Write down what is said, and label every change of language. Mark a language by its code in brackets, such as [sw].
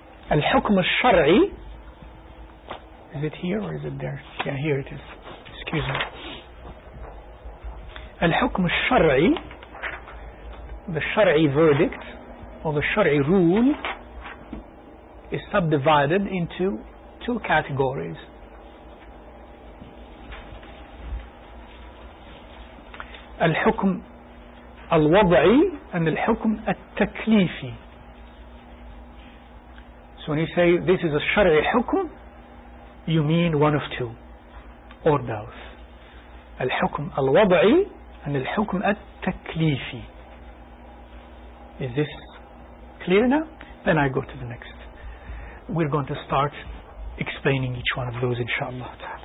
[en] الحكم الشرعي, is it here or is it there? Yeah, here it is. Excuse me. الحكم الشرعي, the شرعي verdict or the شرعي rule, is subdivided into two categories. [ar] الحكم الوضعي and الحكم التكليفي. [en] So when you say this is a shar'i hukm, you mean one of two or both: al-hukm al-wad'i and al-hukm al-taklifi. Is this clear now? Then I go to the next. We're going to start explaining each one of those, inshallah.